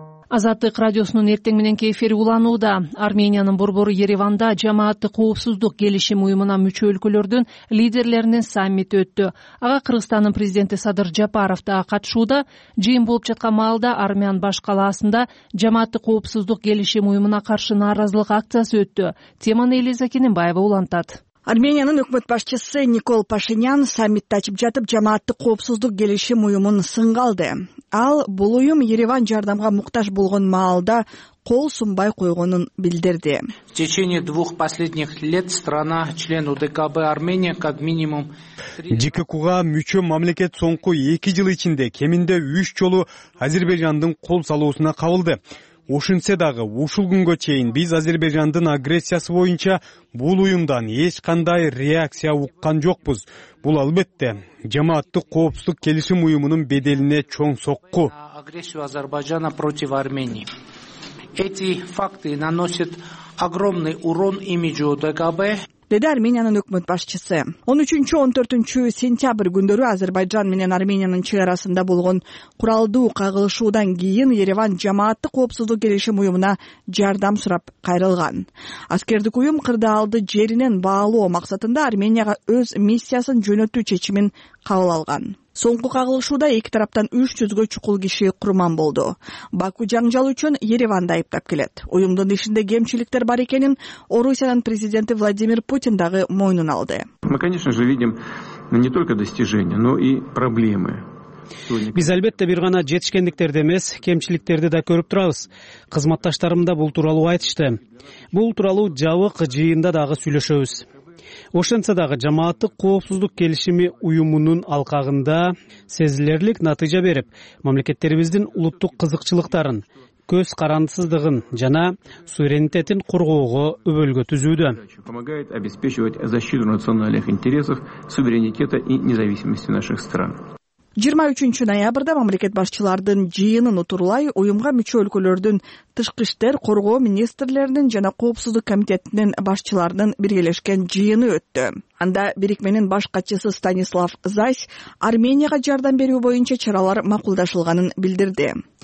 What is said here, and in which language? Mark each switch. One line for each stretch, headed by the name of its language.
Kyrgyz: Азаттык радиосунун эртең мененки эфири уланууда. Армениянын борбору Ереванда жамааттык коопсуздук келишими уюмуна мүчө өлкөлөрдүн лидерлеринин саммити өттү. Ага Кыргызстандын президенти Садыр Жапаров да катышууда. Жыйын болуп жаткан маалда Армян баш калаасында жамааттык коопсуздук келишими уюмуна каршы нааразылык акциясы өттү. Теманы Элиза Кененбаева улантат. Армениянын өкмөт башчысы Никол Пашинян саммитти ачып жатып, жамааттык коопсуздук келишим уюмун сынга алды. Ал бул уюм Ереван жардамга муктаж болгон маалда кол сунбай койгонун билдирди.
Russian: В течение двух последних лет страна, член УДКБ Армения, как минимум...
Kyrgyz: ЖКК-га мүчө мамлекет соңку 2 жыл ичинде кеминде 3 жолу Азербайжандын кол салуусуна кабылды. Ошентсе дагы ушул күнгө чейин биз Азербайжандын агрессиясы боюнча бул уюмдан эч кандай реакция уккан жокпуз. Бул албетте жамааттык коопсуздук келишим уюмунун беделине чоң сокку.
Russian: Агрессия Азербайджана против Армении. Эти факты наносят огромный урон имиджу ДКБ.
Kyrgyz: Деди Армениянын өкмөт башчысы. 13-14 сентябрь күндөрү Азербайжан менен Армениянын чек арасында болгон куралдуу кагылышуудан кийин Ереван жамааттык коопсуздук келишим уюмуна жардам сурап кайрылган. Аскердик уюм кырдаалды жеринен баалоо максатында Арменияга өз миссиясын жөнөтүү чечимин кабыл алган. Соңку кагылышууда эки тараптан 300 чукул киши курман болду. Баку жаңжал үчүн Ереванды айыптап келет. Уюмдун ишинде кемчиликтер бар экенин Орусиянын президенти Владимир Путин дагы мойнун алды.
Russian: Мы, конечно же, видим не только достижения, но и проблемы.
Kyrgyz: Биз албетте бир гана жетишкендиктерди эмес, кемчиликтерди да көрүп турабыз. Кызматташтарым да бул тууралуу айтышты. Бул тууралуу жабык жыйында дагы сүйлөшөбүз. Ошентсе дагы жамааттык коопсуздук келишими уюмунун алкагында сезилерлик натыйжа берип, мамлекеттерибиздин улуттук кызыкчылыктарын, көз карандысыздыгын жана суверенитетин коргоого өбөлгө түзүүдө.
Russian: Помогает обеспечивать защиту национальных интересов, суверенитета и независимости наших стран.
Kyrgyz: 23 ноябрда мамлекет башчылардын жыйынын утурулай уюмга мүчө өлкөлөрдүн тышкы иштер, коргоо министрлеринин жана коопсуздук комитетинин башчыларынын биргелешкен жыйыны өттү. Анда Бирикменин баш катчысы Станислав Зась Арменияга жардам берүү боюнча чаралар макулдашылганын билдирди.